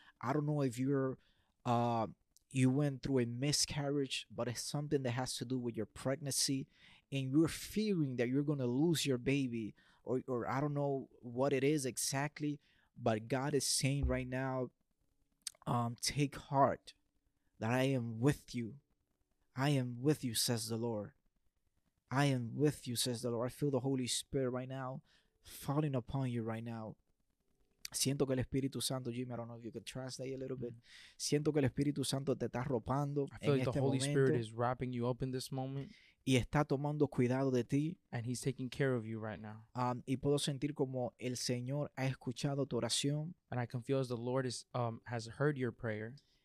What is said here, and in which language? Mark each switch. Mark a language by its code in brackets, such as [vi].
[en] I don't know if you went through a miscarriage, but it's something that has to do with your pregnancy, and you're fearing that you're going to lose your baby, or I don't know what it is exactly, but God is saying right now, take heart that I am with you. I am with you, says the Lord. I am with you, says the Lord. I feel the Holy Spirit right now falling upon you right now. [es] Siento que el Espíritu Santo, [en] Jimmy, I don't know if you could translate a little bit. [es] Siento que el Espíritu Santo te está arropando en este momento. [en] I feel like the Holy Spirit is wrapping you up in this moment. [es] Y está tomando cuidado de ti. [en] And he's taking care of you right now. [es] Y puedo sentir como el Señor ha escuchado tu oración. [en] And I can feel as the Lord has heard your prayer.